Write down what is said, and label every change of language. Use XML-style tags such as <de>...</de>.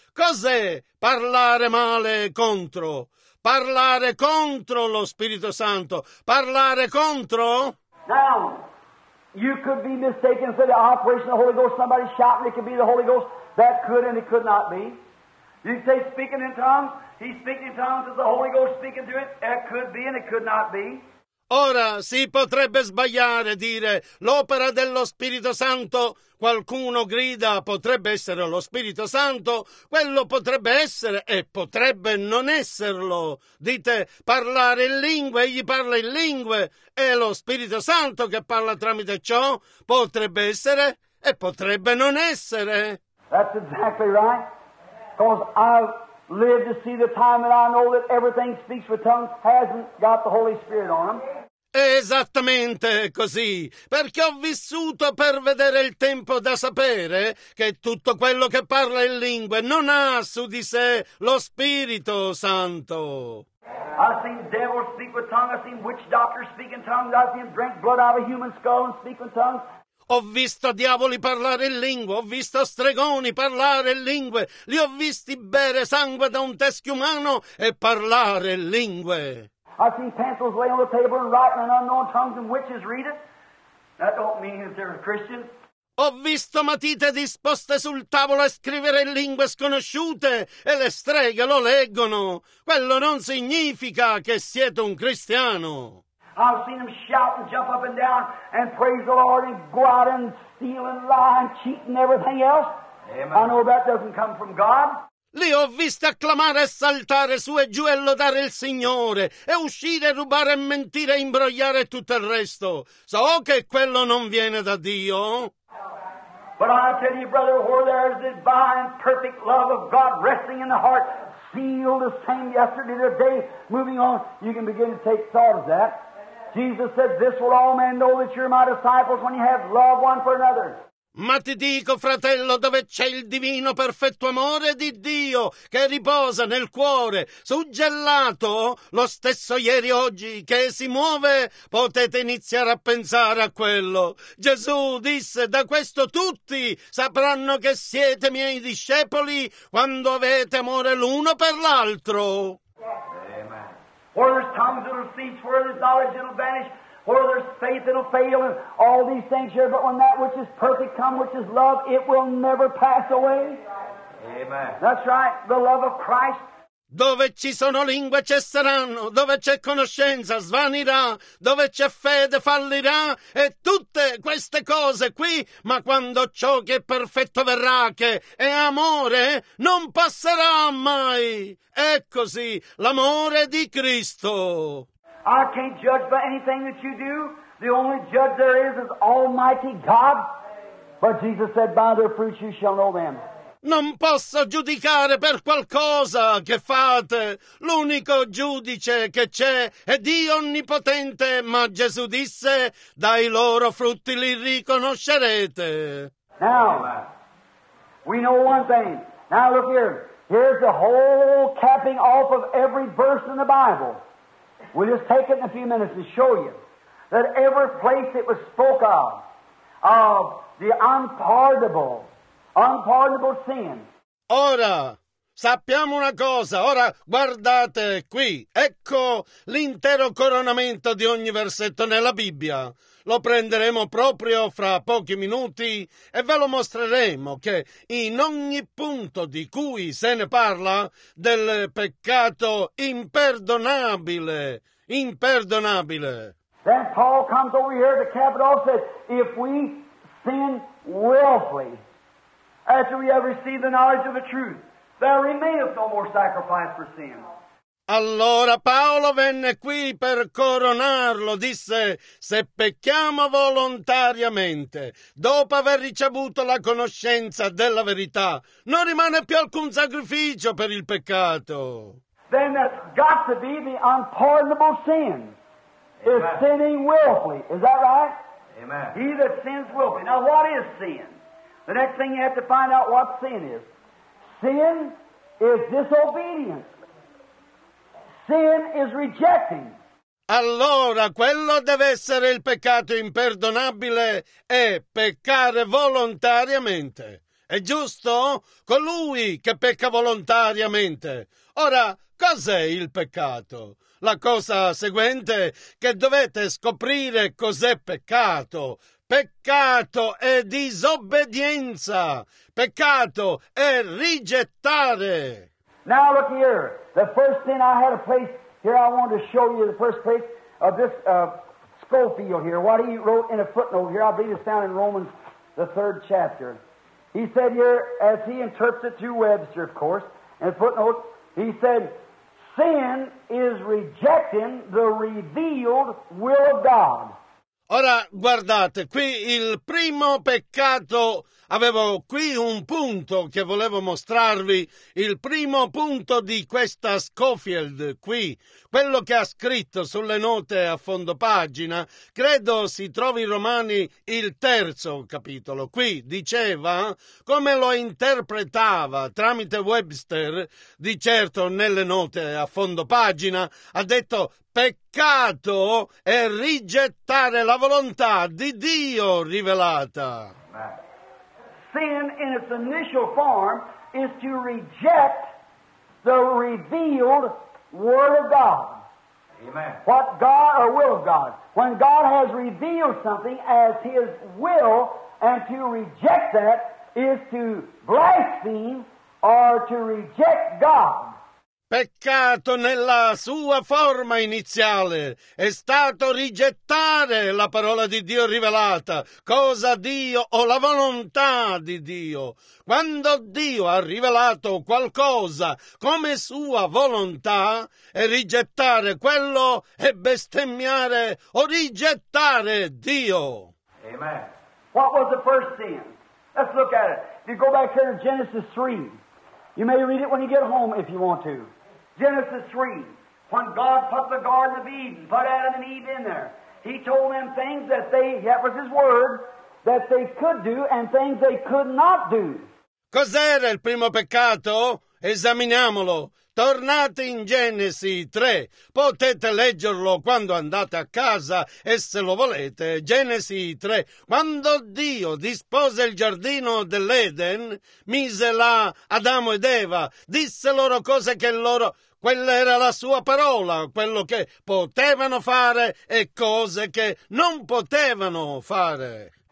<it>Cos'è parlare male contro? Parlare contro lo Spirito Santo. Parlare contro?</it> <en>Now, you could be mistaken for the operation of the Holy Ghost. Somebody shouting, it could be the Holy Ghost. That could and it could not be. You say speaking in tongues, he's speaking in tongues, is the Holy Ghost speaking to it? That could be and it could not be.</en> <it>Ora, si potrebbe sbagliare, dire l'opera dello Spirito Santo. Qualcuno grida, potrebbe essere lo Spirito Santo, quello potrebbe essere e potrebbe non esserlo. Dite, parlare in lingue, egli parla in lingue, è lo Spirito Santo che parla tramite ciò, potrebbe essere e potrebbe non essere.</it> <en>That's exactly right, because I've lived to see the time and I know that everything speaks with tongues hasn't got the Holy Spirit on them.</en> <it>Esattamente così, perché ho vissuto per vedere il tempo da sapere che tutto quello che parla in lingue non ha su di sé lo Spirito Santo.</it> <en>I've seen devils speak with tongues, I've seen witch doctors speak in tongues, I've seen drink blood out of a human skull and speak with tongues.</en> <it>Ho visto diavoli parlare in lingua, ho visto stregoni parlare in lingue, li ho visti bere sangue da un teschio umano e parlare in lingue.</it> <en>I see pencils lay on the table and writing in unknown tongues and witches read it. That don't mean that they're a Christian.</en> <it>Ho visto matite disposte sul tavolo a scrivere in lingue sconosciute e le streghe lo leggono. Quello non significa che siete un cristiano.</it> <en>I've seen them shout and jump up and down and praise the Lord and go out and steal and lie and cheat and everything else. Amen. I know that doesn't come from God.</en> <it>Li ho visti acclamare e saltare su e giù e lodare il Signore e uscire, rubare, mentire, imbrogliare tutto il resto. So che quello non viene da Dio.</it> <en>But I tell you, brother, where there is the divine, perfect love of God resting in the heart, sealed the same yesterday, today, moving on, you can begin to take thought of that. Jesus said, this will all men know that you're my disciples when you have love one for another.</en> <it>Ma ti dico, fratello, dove c'è il divino perfetto amore di Dio che riposa nel cuore, suggellato, lo stesso ieri oggi che si muove, potete iniziare a pensare a quello. Gesù disse, da questo tutti sapranno che siete miei discepoli quando avete amore l'uno per l'altro.</it> <en>Where there's tongues that'll cease, where there's knowledge that'll vanish, where there's faith that'll fail, and all these things here. But when that which is perfect come, which is love, it will never pass away. Amen. That's right, the love of Christ.</en> <it>Dove ci sono lingue cesseranno, dove c'è conoscenza svanirà, dove c'è fede fallirà, e tutte queste cose qui, ma quando ciò che è perfetto verrà, che è amore, non passerà mai. È così, l'amore di Cristo.</it> <en>I can't judge by anything that you do. The only judge there is Almighty God. But Jesus said, by their fruits you shall know them.</en> <it>Non posso giudicare per qualcosa che fate. L'unico giudice che c'è è Dio Onnipotente, ma Gesù disse, dai loro frutti li riconoscerete.</it> <en>Now, we know one thing. Now look here. Here's the whole capping off of every verse in the Bible. We'll just take it in a few minutes to show you that every place it was spoke of the unpardonable, unpardonable sin.</en> <it>Ora, sappiamo una cosa. Ora, guardate qui. Ecco l'intero coronamento di ogni versetto nella Bibbia. Lo prenderemo proprio fra pochi minuti e ve lo mostreremo che in ogni punto di cui se ne parla del peccato imperdonabile, imperdonabile.</it> <en>Then Paul comes over here to cap it off, says, if we sin willfully, after we have received the knowledge of the truth, there remaineth no more sacrifice for sin.</en> <it>Allora Paolo venne qui per coronarlo, disse, se pecchiamo volontariamente, dopo aver ricevuto la conoscenza della verità, non rimane più alcun sacrificio per il peccato.</it> <en>Then that's got to be the unpardonable sin. Is sinning willfully. Is that right? Amen. He that sins willfully. Now what is sin? The next thing you have to find out what sin is. Sin is disobedience. Sin is rejecting.</en> <it>Allora, quello deve essere il peccato imperdonabile è peccare volontariamente. È giusto? Colui che pecca volontariamente. Ora, cos'è il peccato? La cosa seguente è che dovete scoprire cos'è peccato. Peccato è disobbedienza. Peccato è rigettare.</it> <en>Now look here. The first thing I had a place here I wanted to show you, the first place of this Scofield here, what he wrote in a footnote here, I believe it's found in Romans, the third chapter. He said here, as he interprets it to Webster, of course, in a footnote, he said, sin is rejecting the revealed will of God.</en> <it>Ora, guardate, qui il primo peccato, avevo qui un punto che volevo mostrarvi, il primo punto di questa Scofield qui, quello che ha scritto sulle note a fondo pagina, credo si trovi in Romani il terzo capitolo. Qui diceva, come lo interpretava tramite Webster, di certo nelle note a fondo pagina, ha detto: peccato è rigettare la volontà di Dio rivelata.</it> <en>Sin in its initial form is to reject the revealed word of God. Amen. What God or will of God. When God has revealed something as his will, and to reject that is to blaspheme or to reject God.</en> <it>Peccato nella sua forma iniziale è stato rigettare la parola di Dio rivelata, cosa Dio o la volontà di Dio. Quando Dio ha rivelato qualcosa come sua volontà, e rigettare quello è bestemmiare o rigettare Dio. Amen.</it> <en>What was the first sin? Let's look at it. If you go back here to Genesis 3, you may read it when you get home if you want to. Genesis 3, when God put the Garden of Eden, put Adam and Eve in there, he told them things that they, that was his word, that they could do and things they could not do.</en> <it>Cos'era il primo peccato? Esaminiamolo. Tornate in Genesi 3, potete leggerlo quando andate a casa e se lo volete, Genesi 3, quando Dio dispose il giardino dell'Eden, mise là Adamo ed Eva, disse loro cose che loro, quella era la sua parola, quello che potevano fare e cose che non potevano fare.</it>